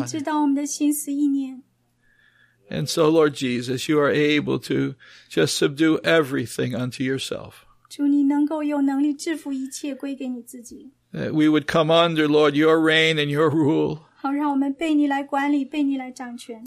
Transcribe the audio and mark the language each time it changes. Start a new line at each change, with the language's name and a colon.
Chinese: 你知道我们的心思意念。And
English: so, Lord Jesus, you are able to just subdue everything unto yourself.
Chinese: 主，你能够有能力制服一切归给你自己。
English: That we would come under, Lord, your reign and your rule.
Chinese: 好，让我们被你来管理，被你来掌权。